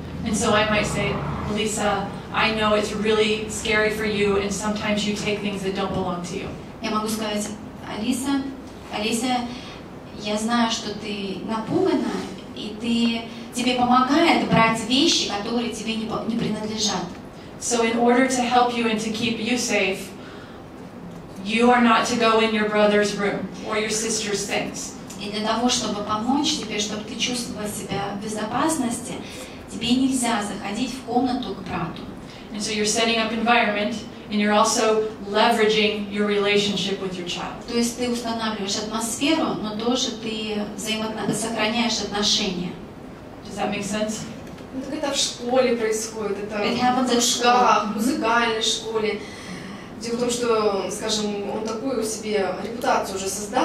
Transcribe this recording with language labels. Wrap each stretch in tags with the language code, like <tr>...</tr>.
<en>And so I might say, Lisa, I know it's really scary for you, and sometimes you take things that don't belong to you.</en> <ru>Я могу сказать, Алиса, я знаю, что ты напугана, и тебе помогает брать вещи, которые тебе не принадлежат.</ru> <en>So in order to help you and to keep you safe, you are not to go in your brother's room or your sister's things.</en> <ru>И для того, чтобы помочь тебе, чтобы ты чувствовал себя в безопасности, тебе нельзя заходить в комнату к брату.</ru> <en>And so you're setting up environment, and you're also leveraging your relationship with your child.</en> <ru>То есть ты устанавливаешь атмосферу, но тоже ты сохраняешь отношения.</ru> <en>Does that make sense?</en> <ru>Ну, так это в школе происходит, это в кружках, в музыкальной школе. Дело в том, что, скажем, он такую себе репутацию уже создал.</ru>